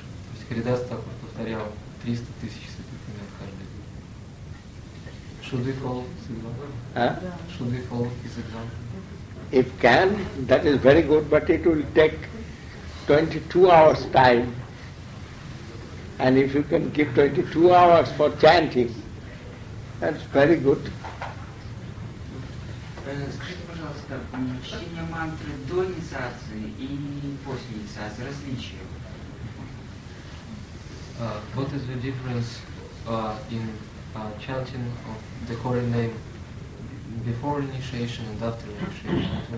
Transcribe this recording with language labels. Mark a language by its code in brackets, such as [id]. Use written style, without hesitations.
[ru] То есть Харидас Такур повторял 300 тысяч сатитамин каждый день. [en] Should we follow his example? Should we follow his example? If can, that is very good, but it will take 22 hours time. And if you can give 22 hours for chanting, that's very good. [ru] Скажите, пожалуйста, чтение мантры до инициации и после инициации, различия? [en] What is the difference in chanting of the holy name before initiation and after initiation?